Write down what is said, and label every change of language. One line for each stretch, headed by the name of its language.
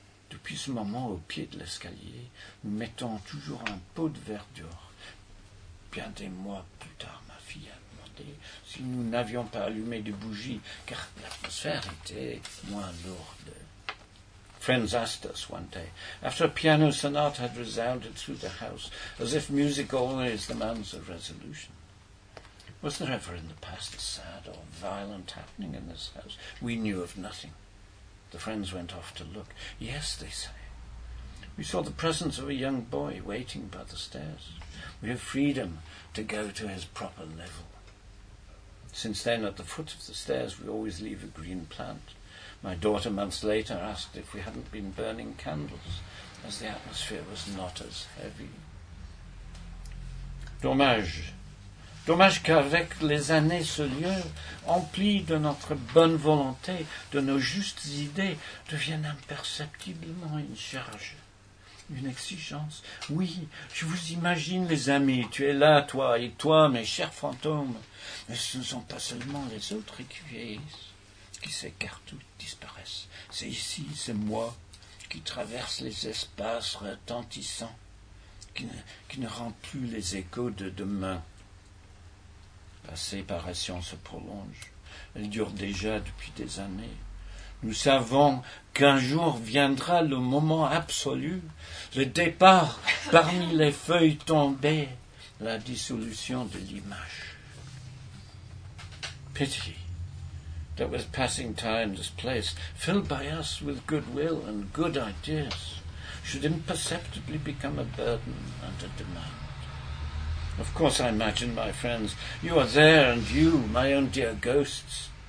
French: Depuis ce moment, au pied de l'escalier, nous mettons toujours un pot de verdure. Bien des mois plus tard, ma fille a demandé si nous n'avions pas allumé de bougies, car l'atmosphère était moins lourde.
English: Friends asked us one day, after a piano sonata had resounded through the house, as if music always demands a resolution, was there ever in the past a sad or violent happening in this house? We knew of nothing. The friends went off to look. Yes, they say. We saw the presence of a young boy waiting by the stairs. We have freedom to go to his proper level. Since then, at the foot of the stairs, we always leave a green plant. My daughter, months later, asked if we hadn't been burning candles, as the atmosphere was not as heavy.
French: Dommage. Dommage qu'avec les années, ce lieu, empli de notre bonne volonté, de nos justes idées, devienne imperceptiblement une charge. Une exigence. Oui, je vous imagine, les amis, tu es là, toi, et toi, mes chers fantômes. Mais ce ne sont pas seulement les autres qui vieillissent, qui s'écartent ou disparaissent. C'est ici, c'est moi, qui traverse les espaces retentissants, qui ne rend plus les échos de demain. La séparation se prolonge. Elle dure déjà depuis des années. Nous savons qu'un jour viendra le moment absolu, le départ parmi les feuilles tombées, la dissolution de l'image.
English: Pity that with passing time this place, filled by us with goodwill and good ideas, should imperceptibly become a burden and a demand. Of course, I imagine, my friends, you are there and you, my own dear ghosts.